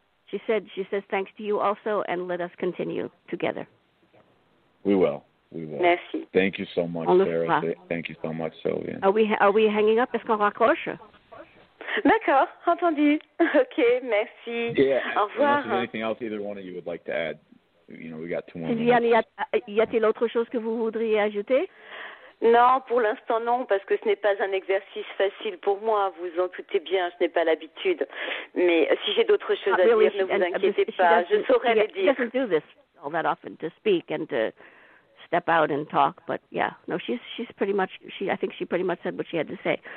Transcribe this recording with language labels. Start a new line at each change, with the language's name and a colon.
English: She says thanks to you also, and let us continue together. We will.
French: Merci.
English: Thank you so much, Sarah. Thank you so much, Sylvia. Are we hanging up?
French: Est-ce qu'on raccroche? D'accord, entendu. Ok, merci.
English: Yeah,
French: au revoir.
English: Unless there's anything else either one of you would like to add, you know, we got two more.
French: Sylviane, y a-t-il autre chose que vous voudriez ajouter? Non, pour l'instant non, parce que ce n'est pas un exercice facile pour moi. Vous en doutez bien, je n'ai pas l'habitude. Mais si j'ai d'autres choses à dire, ne vous inquiétez pas, je saurai les dire.
English: She doesn't do this all that often to speak and to step out and talk. But yeah, no, she's pretty much, she, I think she pretty much said what she had to say.